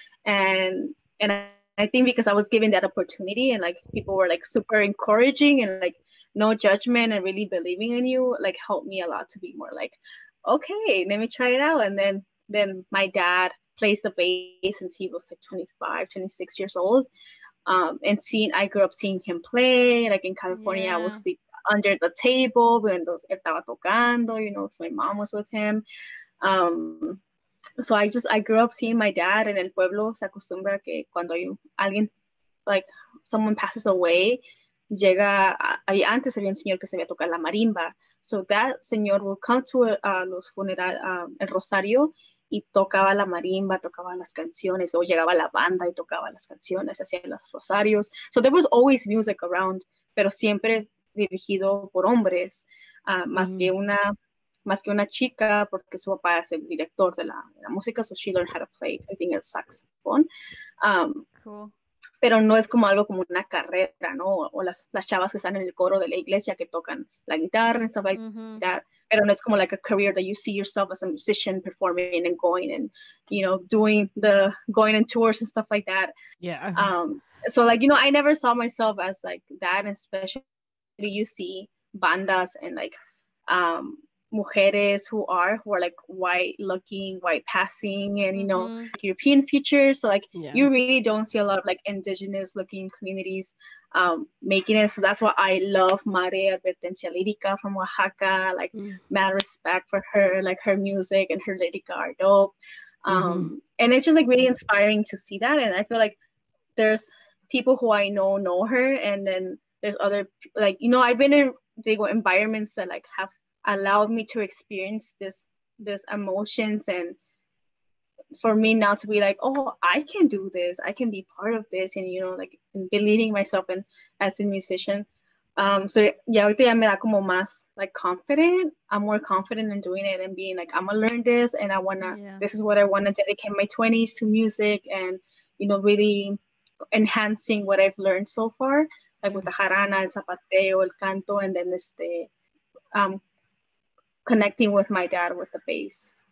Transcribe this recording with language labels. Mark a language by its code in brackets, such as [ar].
[en] And I think because I was given that opportunity and like people were like super encouraging and like, no judgment and really believing in you, like helped me a lot to be more like, okay, let me try it out. And then my dad plays the bass since he was like 25, 26 years old. I grew up seeing him play, like in California, I was sleep under the table when those [es] estaba tocando, [en] you know, so my mom was with him. So I grew up seeing my dad [es] en el pueblo, se acostumbra que cuando hay alguien, [en] like someone passes away, [es] llega, ahí antes había un señor que sabía tocar la marimba. [en] So that [es] señor [en] would come to [es] los funerales, el rosario, y tocaba la marimba, tocaba las canciones. Luego llegaba la banda y tocaba las canciones, hacía los rosarios. [en] So there was always music around, [es] pero siempre dirigido por hombres, más que una chica, porque su papá es el director de la música, [en] so she learned how to play, I think, [es] el saxophone. Pero no es como algo como una carrera, ¿no? O las chavas que están en el coro de la iglesia que tocan la guitarra [en] and stuff like that. [es] Pero no es como [en] like a career that you see yourself as a musician performing and going and, you know, doing the, going on tours and stuff like that. Yeah. So like, you know, I never saw myself as like that, especially you see bandas and like mujeres who are like white looking, white passing, and you know, European features. So like you really don't see a lot of like indigenous looking communities making it. So that's why I love Mare Advertencia Lirica from Oaxaca, like mad respect for her, like her music and her lirica are dope. And it's just like really inspiring to see that. And I feel like there's people who I know her, and then there's other, like, you know, I've been in the environments that like have allowed me to experience this emotions, and for me now to be like, oh, I can do this, I can be part of this, and you know, like, and believing myself and as a musician. So yeah, [es] ahorita ya me da como más [en] like confident. I'm more confident in doing it and being like, I'm gonna learn this, and I wanna, this is what I wanna dedicate my 20s to, music, and you know, really enhancing what I've learned so far, like with the jarana, [es] el zapateo, el canto, [en] and then this day, connecting with my dad with the bass.